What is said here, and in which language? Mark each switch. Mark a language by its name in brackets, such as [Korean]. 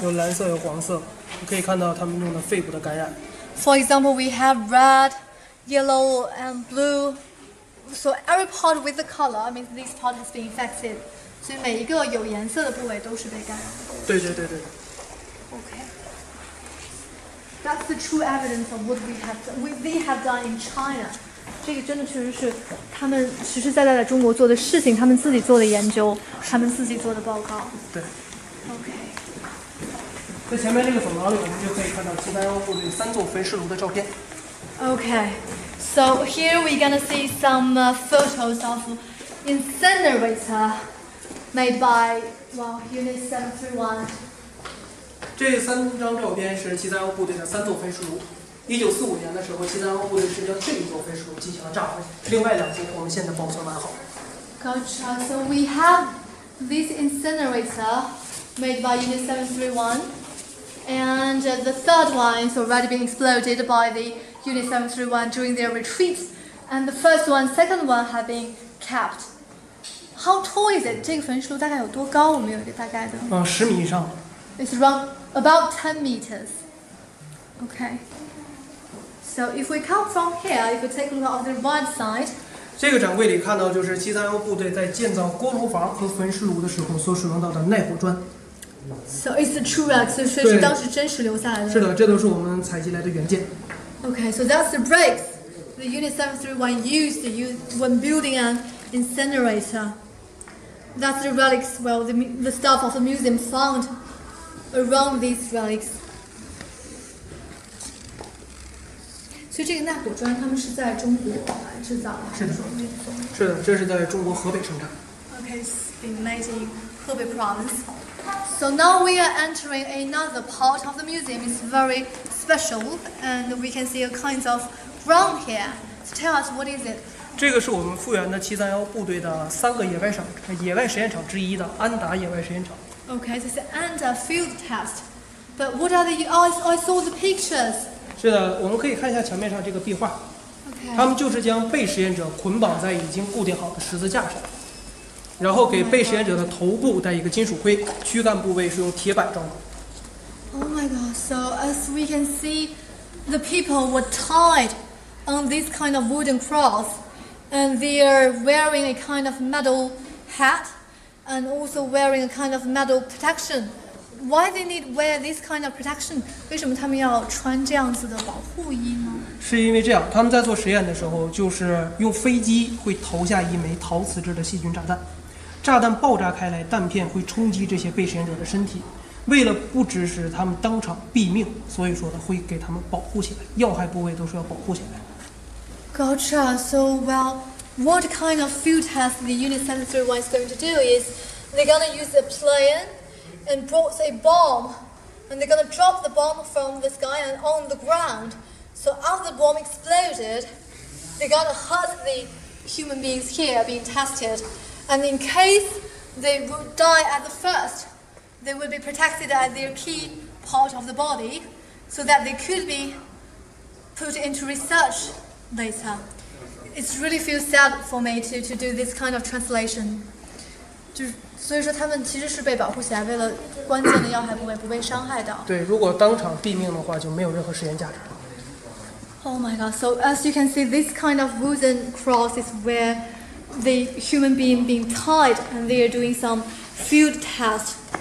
[Chinese] 有蓝色，有黄色，可以看到他们用的肺部的感染。 [English] For example, we have red, yellow, and blue. So every part with the color means this part has been infected. [Chinese] 所以每一个有颜色的部位都是被感染的。对。 [English] Okay. That's the true evidence of what we have done in China. [Chinese] 这个真的确实是他们实实在在在中国做的事情，他们自己做的研究，他们自己做的报告。对。 [English] OK。 [Chinese] 在前面这个走廊里，我们就可以看到西班牙部队三座焚尸炉的照片。 [English] OK。 So here we're gonna see some photos of incinerator made by Unit 731. [Chinese] 这三张照片是西班牙部队的三座焚尸炉。1945年的时候，西班牙部队是将这一座焚尸炉进行了炸毁，另外两座我们现在保存完好。 [English] Gotcha. So we have this incinerator made by Unit 731, and the third one is already being exploded by the Unit 731 during their retreat, and the first one, second one have been capped. How tall is it? [Chinese] 这个焚尸炉大概有多高？我们有一个大概的。十米以上。 [English] It's around about 10 meters. Okay. So if we come from here, if we take a look on the right side, [Chinese] 这个展柜里看到就是七三幺部队在建造锅炉房和焚尸炉的时候所使用到的耐火砖。 [English] So it's the true bricks, [Chinese] 所以是当时真实留下来的。是的，这都是我们采集来的原件。 [English] Okay, so that's the bricks the Unit 731 used when building an incinerator. That's the relics, well, the stuff of the museum found around these relics. [Chinese] 就这个耐火砖，他们是在中国制造的，是的，是的，这是在中国河北生产。 [English] Okay, it's been made in Hebei province. So now we are entering another part of the museum. It's very special, and we can see a kind of drum here. So tell us what is it? [Chinese] 这个是我们复原的731部队的三个野外实验场之一的安达野外实验场。 [English] Okay, this is Anda field test. But what are the? I saw the pictures. [Chinese] 是的，我们可以看一下墙面上这个壁画。 [English] Okay. [Chinese] 他们就是将被实验者捆绑在已经固定好的十字架上，然后给被实验者的头部戴一个金属盔，躯干部位是用铁板装的。 [English] Oh my god! So as we can see, the people were tied on this kind of wooden cross, and they are wearing a kind of metal hat, and also wearing a kind of metal protection. Why they need wear this kind of protection? [Chinese] 为什么他们要穿这样子的保护衣呢？是因为这样，他们在做实验的时候，就是用飞机会投下一枚陶瓷制的细菌炸弹，炸弹爆炸开来，弹片会冲击这些被实验者的身体。为了不致使他们当场毙命，所以说呢，会给他们保护起来，要害部位都是要保护起来。 [English] Gotcha. So well, what kind of field test the Unit 731 is going to do is they're gonna use a plane. And brought a bomb, and they're gonna drop the bomb from the sky and on the ground. So after the bomb exploded, they're gonna hurt the human beings here being tested. And in case they would die at the first, they would be protected at their key part of the body, so that they could be put into research later. It really feels sad for me to do this kind of translation. [Chinese] 所以说他们其实是被保护起来，为了关键的要害部位不被伤害到。对，如果当场毙命的话，就没有任何实验价值。 [English] Oh my god! So as you can see, this kind of wooden cross is where the human being tied, and they are doing some field test.